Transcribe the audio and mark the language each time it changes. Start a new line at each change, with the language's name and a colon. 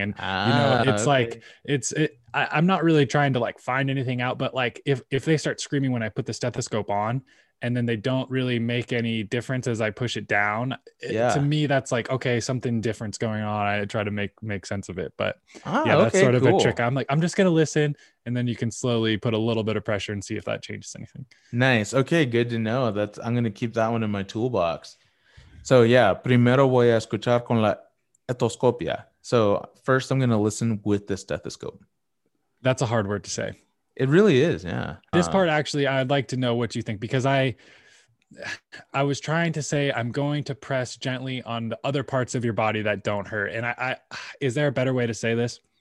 English: And, I'm not really trying to like find anything out, but like if they start screaming when I put the stethoscope on, and then they don't really make any difference as I push it down. Yeah. To me, that's like, okay, something different's going on. I try to make sense of it. But that's sort of a trick. I'm like, I'm just going to listen. And then you can slowly put a little bit of pressure and see if that changes anything. Nice. Okay, good to know. I'm going to keep that one in my toolbox. So yeah,
Spanish: primero voy a escuchar con la estetoscopia.
English: So first I'm going to listen with the stethoscope. That's a hard word to say. It really is, yeah. This part, actually, I'd like to know what you think, because I was trying to say I'm going to press gently on the other parts of your body that don't hurt. And I is there a better way to say this?